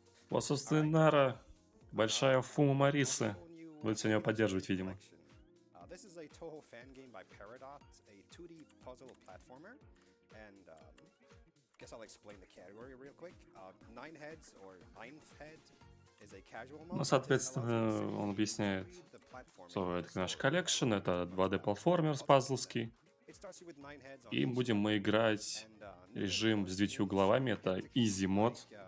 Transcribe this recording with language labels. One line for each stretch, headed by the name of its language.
Russian: Вот, собственно, Нара, большая фума Марисы. Будет сегодня ее поддерживать, видимо.
English: This is a Toho fan game by Paradox, a 2D puzzle platformer, and guess I'll explain the category real quick. Nine heads or ninth head is a casual mode.
Russian: Ну, соответственно, он объясняет, что это наш коллекшн, это 2D платформер с пазлский. И будем мы играть режим с 9 главами, это easy мод.